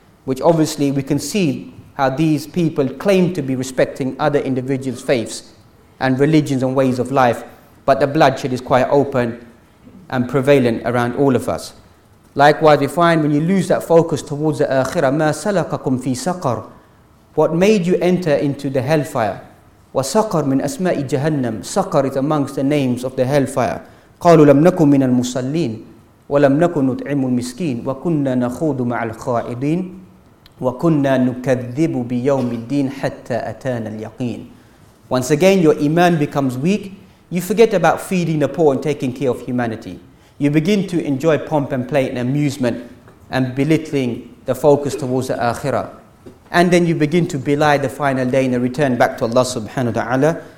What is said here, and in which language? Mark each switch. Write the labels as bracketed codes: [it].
[en] Which obviously we can see how these people claim to be respecting other individuals' faiths and religions and ways of life, but the bloodshed is quite open and prevalent around all of us. Likewise, we find when you lose that focus towards the akhirah, [ar] ما سلككم في سقر, [en] what made you enter into the hellfire? [ar] وسقر من أسماء جهنم, [en] سقر is amongst the names of the hellfire. [ar] قالوا لم نكن من المصلين ولم نكن نطعم المسكين وكنا نخوض مع الخائضين وكنا نكذب بيوم الدين حتى أتانا اليقين. [en] Once again, your iman becomes weak. You forget about feeding the poor and taking care of humanity. You begin to enjoy pomp and play and amusement and belittling the focus towards the akhirah. And then you begin to belie the final day and the return back to Allah subhanahu wa ta'ala.